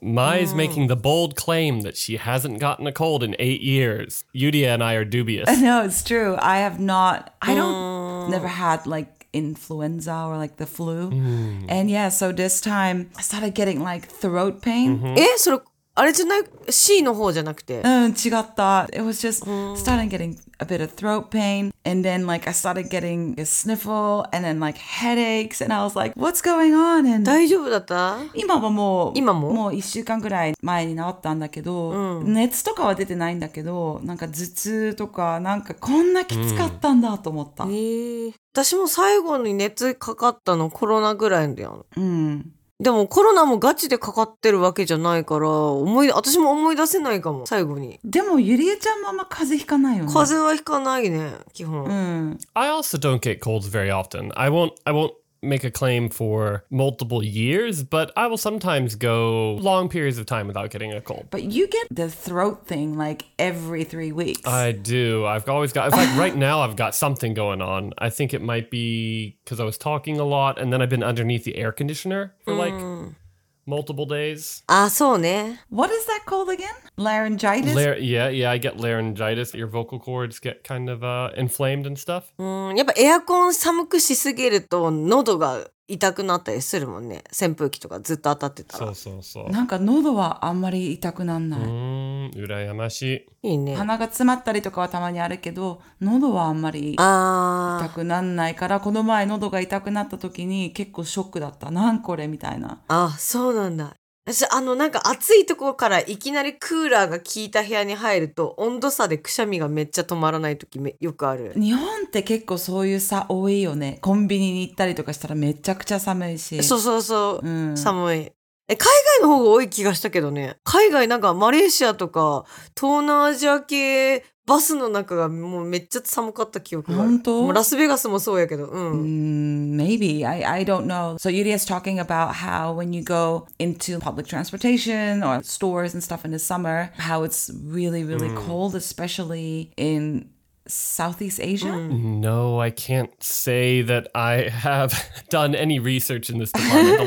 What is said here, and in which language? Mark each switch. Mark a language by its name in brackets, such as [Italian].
[English] Mai's making the bold claim that she hasn't gotten a cold in 8 years. Yudia and I are dubious. No, it's true. I have not. I don't. Never had like influenza or like the flu. And yeah, so this time I started getting like throat pain. [Japanese] それあれじゃない C の方じゃなくて。うん、違った。 [English] It was just started getting a bit of throat pain. And then like I started getting a sniffle and then like headaches. And I was like, what's going on? And [Japanese] 大丈夫だった今はもう、今ももう1週間ぐらい前に治ったんだけど、熱とかは出てないんだけど、なんか頭痛とか、なんかこんなきつかったんだと思った。私も最後に熱かかったのコロナぐらいだよ。うん。でもコロナもガチでかかってるわけじゃないから私も思い出せないかも最後にでもゆりえちゃんもあんま風邪ひかないよね風邪はひかないね基本、うん、 [English] I also don't get colds very often I won't make a claim for multiple years but I will sometimes go long periods of time without getting a cold but you get the throat thing like every 3 weeks I do I've always got it's like right now I've got something going on I think it might be because I was talking a lot and then I've been underneath the air conditioner for like multiple days [Japanese] ah so ne [English] what is that called again laryngitis yeah I get laryngitis your vocal cords get kind of inflamed and stuff [Japanese] やっぱエアコン寒くしすぎると喉が痛くなったりするもんね扇風機とかずっと当たってたらそうそうそうなんか喉はあんまり痛くなんないうらやましいいいね鼻が詰まったりとかはたまにあるけど喉はあんまり痛くなんないからこの前喉が痛くなった時に結構ショックだったなんこれみたいなあそうなんだ私あのなんか暑いところからいきなりクーラーが効いた部屋に入ると温度差でくしゃみがめっちゃ止まらない時よくある日本って結構そういう差多いよねコンビニに行ったりとかしたらめちゃくちゃ寒いしそうそうそう、うん、寒い海外の方が多い気がしたけどね海外なんかマレーシアとか東南アジア系バスの中がもうめっちゃ寒かった記憶がある本当ラスベガスもそうやけど、うん、 [English] Maybe, I don't know So Yuri is talking about how when you go into public transportation or stores and stuff in the summer how it's really really cold especially in Southeast Asia? No, I can't say that I have done any research in this department.